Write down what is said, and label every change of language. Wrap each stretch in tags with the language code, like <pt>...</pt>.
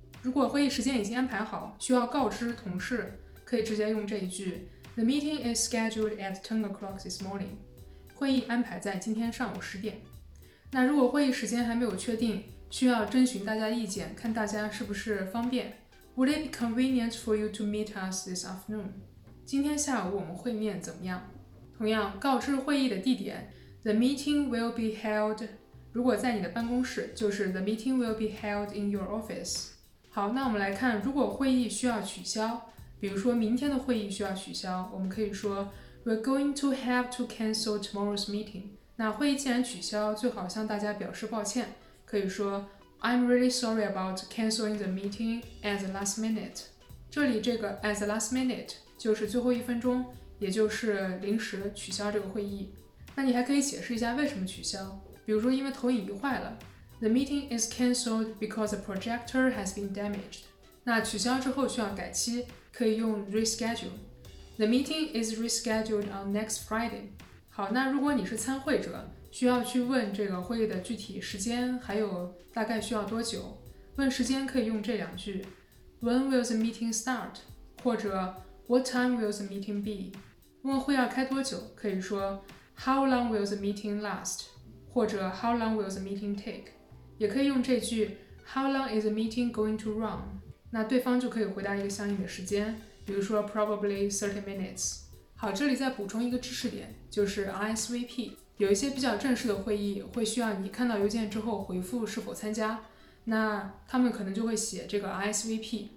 <zh>如果会议时间已经安排好，需要告知同事，可以直接用这一句</zh> <en>The meeting is scheduled at 10 o'clock this morning，</en> <zh>会议安排在今天上午10点。那如果会议时间还没有确定，需要征询大家意见，看大家是不是方便。</zh> <en>Would it be convenient for you to meet us this afternoon?</en> <zh>今天下午我们会面怎么样？同样，告知会议的地点，</zh> <en>The meeting will be held，</en> <zh>如果在你的办公室，就是</zh> <en>The meeting will be held in your office。</en> <zh>好，那我们来看，如果会议需要取消，比如说明天的会议需要取消，我们可以说</zh> <en>We're going to have to cancel tomorrow's meeting。</en> <zh>那会议既然取消，最好向大家表示抱歉，可以说</zh> <en>I'm really sorry about canceling the meeting at the last minute。</en> <zh>这里这个</zh> <en>at the last minute</en> <zh>就是最后一分钟，也就是临时取消这个会议。那你还可以解释一下为什么取消，比如说因为投影仪坏了，</zh> <en>The meeting is cancelled because the projector has been damaged。</en> <zh>那取消之后需要改期，可以用 reschedule。</zh> <en>The meeting is rescheduled on next Friday。</en> <zh>好，那如果你是参会者，需要去问这个会议的具体时间还有大概需要多久，问时间可以用这两句，</zh> <en>When will the meeting start? 或者 What time will the meeting be?</en> <zh>问会要开多久，可以说</zh> <en>How long will the meeting last? 或者 How long will the meeting take?</en> <zh>也可以用这句</zh> <en>How long is the meeting going to run?</en> <zh>那对方就可以回答一个相应的时间，比如说</zh> <en>Probably 30 minutes。</en> <zh>好，这里再补充一个知识点，就是 ISVP，有一些比较正式的会议会需要你看到邮件之后回复是否参加，那他们可能就会写这个 ISVP。</zh>